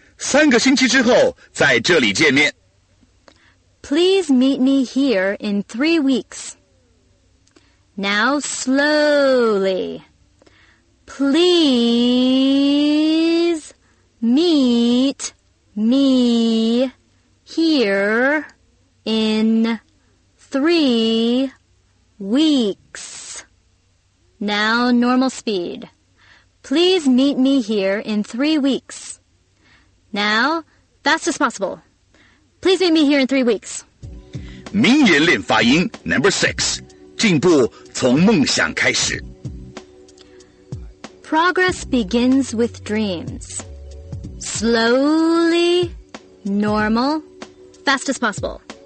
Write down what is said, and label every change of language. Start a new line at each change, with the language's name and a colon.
Chinese: 三个星期之后在这里见面。
English: Please meet me here in 3 weeks. Now, slowly. Please meet me here in 3 weeks. Now normal speed. Please meet me here in 3 weeks. Now, fast as possible. Please meet me here in 3 weeks.
Chinese: 名言练发音
English: number 6.
Chinese: 进步从梦想开始。
English: Progress begins with dreams. Slowly, normal, fast as possible.